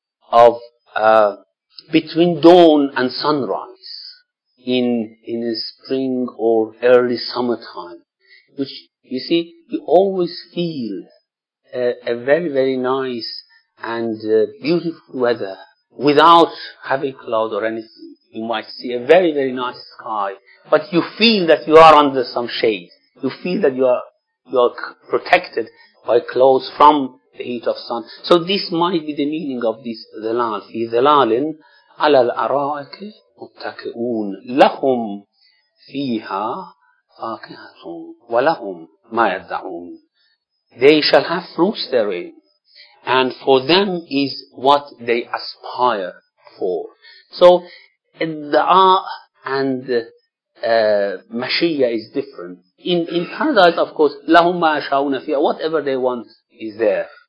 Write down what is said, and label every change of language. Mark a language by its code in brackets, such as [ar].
[en] of between dawn and sunrise in the spring or early summertime, which, you see, you always feel a very, very nice and beautiful weather without having cloud or anything. You might see a very, very nice sky, but you feel that you are under some shade. You feel that you are protected by clouds from the heat of sun. So this might be the meaning of this ظلال. [ar] في ظلال على الأرائك متكئون لهم فيها فاكهة ولهم ما يدعون. [en] They shall have fruits therein, and for them is what they aspire for. So الدعاء and مشيئة is different. In paradise, of course, [ar] لهم ما يشاءون فيها, [en] whatever they want is there.